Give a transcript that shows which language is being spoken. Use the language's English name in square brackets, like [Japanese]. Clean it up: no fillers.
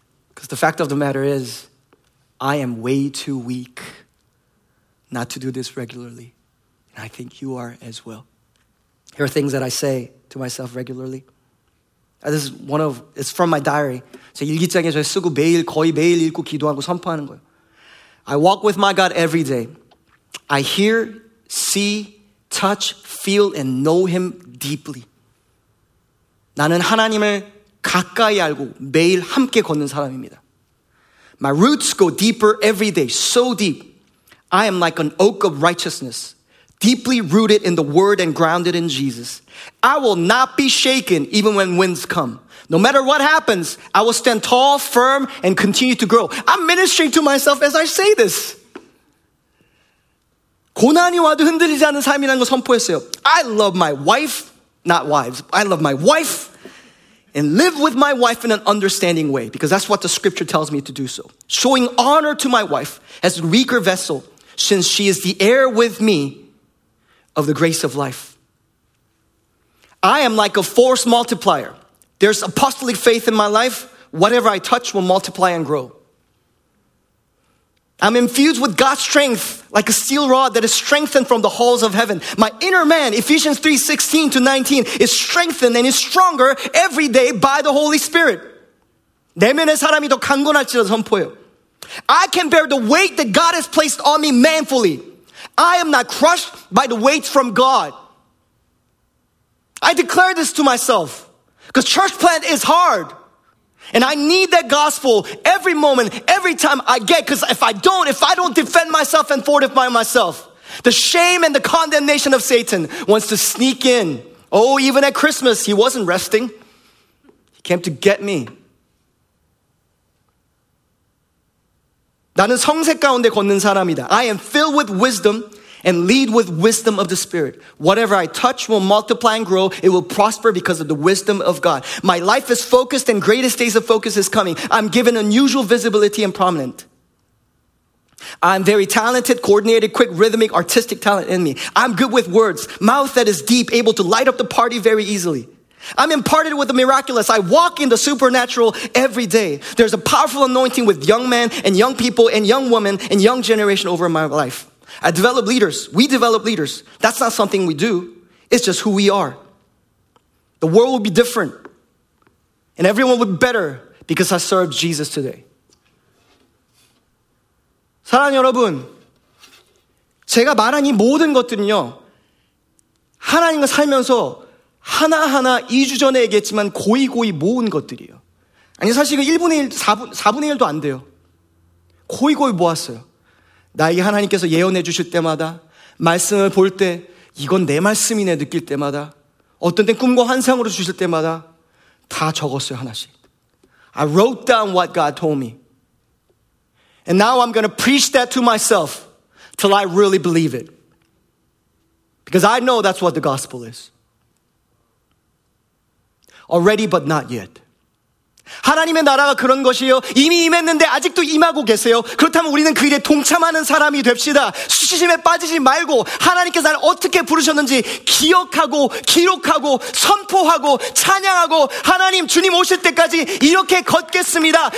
[English] Because the fact of the matter is, I am way too weak not to do this regularly. And I think you are as well. Here are things that I say to myself regularly. This is one of, it's from my diary. [Korean] 제 일기장에 저 쓰고 매일, 거의 매일 읽고 기도하고 선포하는 거예요. [English] I walk with my God every day. I hear, see, touch, feel, and know him deeply. [Korean] 나는 하나님을 가까이 알고 매일 함께 걷는 사람입니다. [English] My roots go deeper every day, so deep. I am like an oak of righteousness. Deeply rooted in the word and grounded in Jesus. I will not be shaken even when winds come. No matter what happens, I will stand tall, firm, and continue to grow. I'm ministering to myself as I say this. [Korean] 고난이 와도 흔들리지 않는 삶이라는 걸 선포했어요. [English] I love my wife, not wives. I love my wife and live with my wife in an understanding way because that's what the scripture tells me to do so. Showing honor to my wife as a weaker vessel since she is the heir with me of the grace of life. I am like a force multiplier. There's apostolic faith in my life. Whatever I touch will multiply and grow. I'm infused with God's strength like a steel rod that is strengthened from the halls of heaven. My inner man, Ephesians 3, 16 to 19, is strengthened and is stronger every day by the Holy Spirit. [Korean] 내면의 사람이 더 강건할지라 선포해요. [English] I can bear the weight that God has placed on me manfully. I am not crushed by the weight from God. I declare this to myself. Because church plant is hard. And I need that gospel every moment, every time I get. Because if I don't defend myself and fortify myself, the shame and the condemnation of Satan wants to sneak in. Oh, even at Christmas, he wasn't resting. He came to get me. [Korean] 나는 성색 가운데 걷는 사람이다. [English] I am filled with wisdom and lead with wisdom of the Spirit. Whatever I touch will multiply and grow. It will prosper because of the wisdom of God. My life is focused and greatest days of focus is coming. I'm given unusual visibility and prominent. I'm very talented, coordinated, quick, rhythmic, artistic talent in me. I'm good with words, mouth that is deep, able to light up the party very easily. I'm imparted with the miraculous. I walk in the supernatural every day. There's a powerful anointing with young men and young people and young women and young generation over my life. I develop leaders. We develop leaders. That's not something we do. It's just who we are. The world will be different. And everyone will be better because I serve Jesus today. [Korean] 사랑 여러분, 제가 말한 이 모든 것들은요, 하나님과 살면서 하나하나 2주 전에 얘기했지만 고이고이 모은 것들이에요. 아니 사실 이거 1분의 1, 4분의 1도 안 돼요. 고이고이 모았어요. 나에게 하나님께서 예언해 주실 때마다, 말씀을 볼 때 이건 내 말씀이네 느낄 때마다, 어떤 땐 꿈과 환상으로 주실 때마다 다 적었어요 하나씩. [English] I wrote down what God told me. And now I'm going to preach that to myself till I really believe it. Because I know that's what the gospel is. Already but not yet. [Korean] 하나님의 나라가 그런 것이요. 이미 임했는데 아직도 임하고 계세요. 그렇다면 우리는 그 일에 동참하는 사람이 됩시다. 수치심에 빠지지 말고 하나님께서 나를 어떻게 부르셨는지 기억하고 기록하고 선포하고 찬양하고 하나님 주님 오실 때까지 이렇게 걷겠습니다.